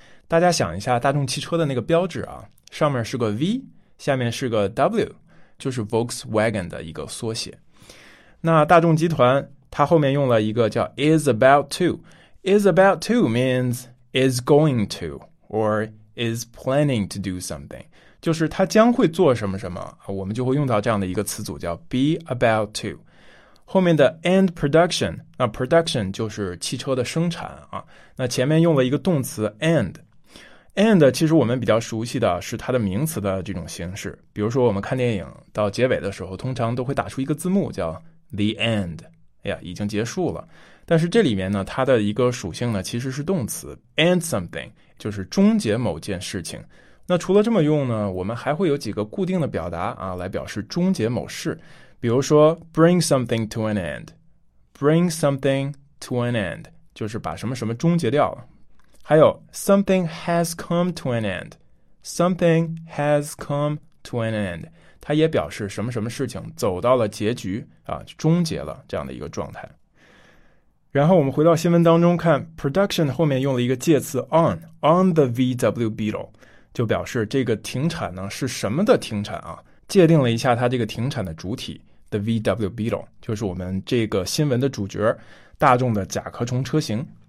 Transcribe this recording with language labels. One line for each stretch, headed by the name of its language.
Chinese: 大家想一下大众汽车的那个标志啊，上面是个 V， 下面是个 W， 就是 Volkswagen 的一个缩写。那大众集团它后面用了一个叫
English: is about to， is about to means is going to or is planning to do something，
Chinese: 就是它将会做什么什么，我们就会用到这样的一个词组叫
English: be about to。
Chinese: 后面的
English: end production，
Chinese: 那 production 就是汽车的生产啊，那前面用了一个动词 endAnd 其实我们比较熟悉的是它的名词的这种形式，比如说我们看电影到结尾的时候通常都会打出一个字幕叫
English: The End，
Chinese: 哎呀，已经结束了。但是这里面呢，它的一个属性呢，其实是动词
English: end something，
Chinese: 就是终结某件事情。那除了这么用呢，我们还会有几个固定的表达啊，来表示终结某事。比如说
English: bring something to an end，
Chinese: bring something to an end 就是把什么什么终结掉了。还有
English: something has come to an end，
Chinese: something has come to an end， 它也表示什么什么事情走到了结局啊，终结了这样的一个状态。然后我们回到新闻当中看 production 后面用了一个介词
English: on the VW Beetle，
Chinese: 就表示这个停产呢是什么的停产啊，界定了一下它这个停产的主体
English: the VW Beetle，
Chinese: 就是我们这个新闻的主角，大众的甲壳虫车型。